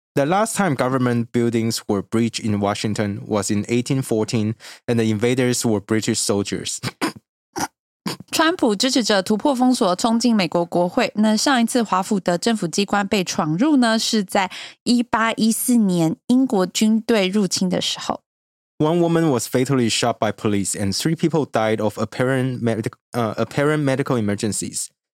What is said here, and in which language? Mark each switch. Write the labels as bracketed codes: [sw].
[en] The last time government buildings were breached in Washington was in 1814 and the invaders were British soldiers. [zh] 川普支持者突破封锁冲进美国国会，那上一次华府的政府机关被闯入呢，是在1814年英国军队入侵的时候。 [en] One woman was fatally shot by police and three people died of apparent medical emergencies.